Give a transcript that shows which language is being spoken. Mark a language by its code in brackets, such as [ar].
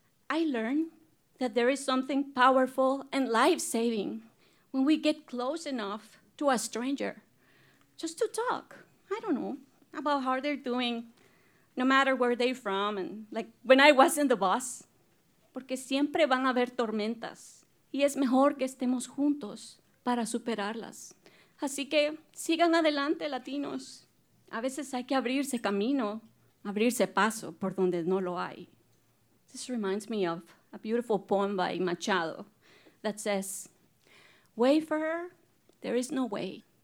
[en] I learned that there is something powerful and life-saving when we get close enough to a stranger, just to talk, I don't know, about how they're doing, no matter where they're from, and like when I wasn't the boss. [es] Porque siempre van a haber tormentas, y es mejor que estemos juntos para superarlas. Así que sigan adelante, latinos. A veces hay que abrirse camino, abrirse paso por donde no lo hay. [en] This reminds me of a beautiful poem by Machado that says, "Wayfarer, there is no way.